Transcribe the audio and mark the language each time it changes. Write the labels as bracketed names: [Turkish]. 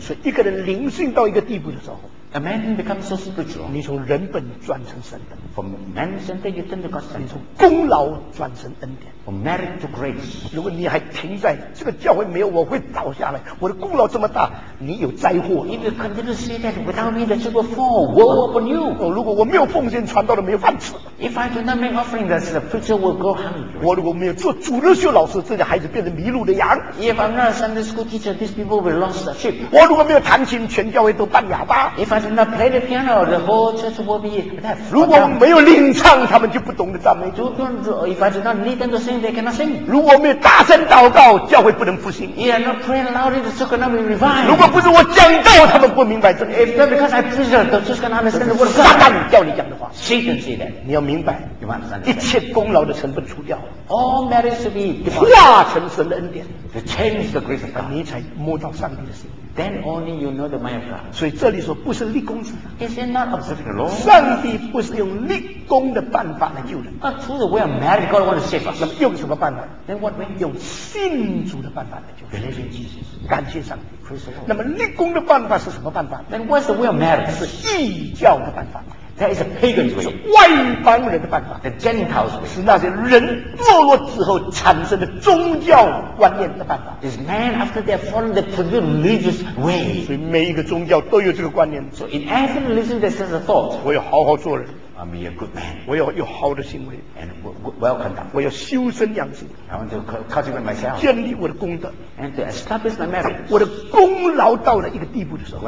[Chinese] 所以一个人灵性到一个地步的时候 [English] ，A man becomes so spiritual。 [Chinese] 你从人本转成神本 [English] ，From man's end you turn to God's end。 [Chinese] 你从功劳转成恩典 [English] ，From merit to grace。 [Chinese] 如果你还停在这个教会没有我会倒下来，我的功劳这么大，你有灾祸。 [English] If you continue to say that without me the church will fall, woe upon you。 [Chinese] 哦，如果我没有奉献传道的没有饭。 [English] If I do not make offering, that the preacher will go hungry. [Chinese] 我如果没有做主日学老师，这些孩子变成迷路的羊。 [English] If I'm not a Sunday school teacher, these people will lose their sheep. [Chinese] 我如果没有弹琴，全教会都半哑巴。 [English] If I do not play the piano, the whole church will be deaf. [Chinese] 如果没有领唱，他们就不懂得赞美。 [English] If I do not lead them to sing, they cannot sing. [Chinese] 如果没有大声祷告，教会不能复兴。 [English] If I do not pray loudly, the church cannot be revived. [Chinese] 如果不是我讲道，他们不明白真理。 [English] If not because I preach, the church cannot understand the word of God. [Chinese] 撒旦叫你讲的话。 [English] Satan said that. [Chinese] 你要明白。明白，一切功劳的成分除掉了 [English] ，all merit to be [Chinese] 化成神的恩典 [English] ，to change the grace of God， [Chinese] 你才摸到上帝的心。 [English] Then only you know the mind of God。 [Chinese] 所以这里说不是立功之人 [English] ，is it not observing the law？ [Chinese] 上帝不是用立功的办法来救人。 [English] But through the way of merit, God wants to save us。 [Chinese] 那么用什么办法 [English] ？Then what way？ [Chinese] 用信主的办法来救人。 [English] Believing Jesus， [Chinese] 感谢上帝。 [English] Praise the Lord。 [Chinese] 那么立功的办法是什么办法 [English] ？Then what's the way of merit？ [Chinese] 是异教的办法。 [English] That is a pagan way， [Chinese] 是外邦人的办法。 [English] The Gentiles way， [Chinese] 是那些人堕落之后产生的宗教观念的办法。 [English] Is man after they have fallen the primitive religious way？ [Chinese] 所以每一个宗教都有这个观念。 [English] So in every religion there's a sense of thought， [Chinese] 我要好好做人。 [English] I'm a good man， [Chinese] 我要有好的行为。 [English] And well conduct， [Chinese] 我要修身养性。 [English] I want to cultivate myself， [Chinese] 建立我的功德。 [English] And to establish my merit， [Chinese] 我的功劳到了一个地步的时候